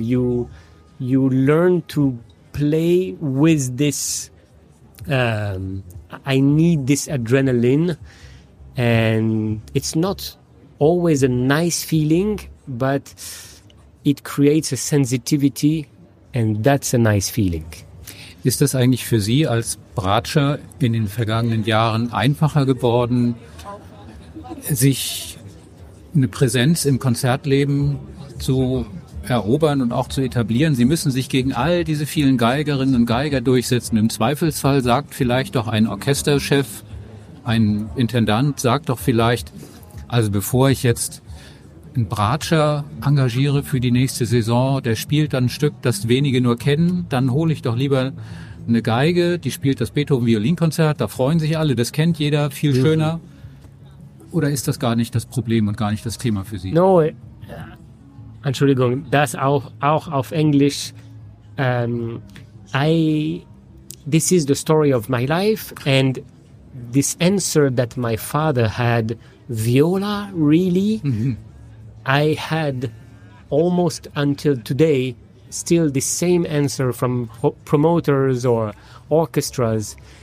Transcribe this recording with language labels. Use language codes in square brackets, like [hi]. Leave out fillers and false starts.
[en] You learn to play with this I need this adrenaline and it's not always a nice feeling, but it creates a sensitivity and that's a nice feeling. [de] Ist das eigentlich für Sie als Bratscher in den vergangenen Jahren einfacher geworden, sich eine Präsenz im Konzertleben zu erobern und auch zu etablieren? Sie müssen sich gegen all diese vielen Geigerinnen und Geiger durchsetzen. Im Zweifelsfall sagt vielleicht doch ein Orchesterchef, ein Intendant, sagt doch vielleicht, also bevor ich jetzt einen Bratscher engagiere für die nächste Saison, der spielt dann ein Stück, das wenige nur kennen, dann hole ich doch lieber eine Geige, die spielt das Beethoven-Violinkonzert, da freuen sich alle, das kennt jeder, viel schöner. Oder ist das gar nicht das Problem und gar nicht das Thema für Sie? Entschuldigung, das auch auf Englisch. [en] This is the story of my life, and this answer that my father had, viola, really? I had almost until today still the same answer from promoters or orchestras.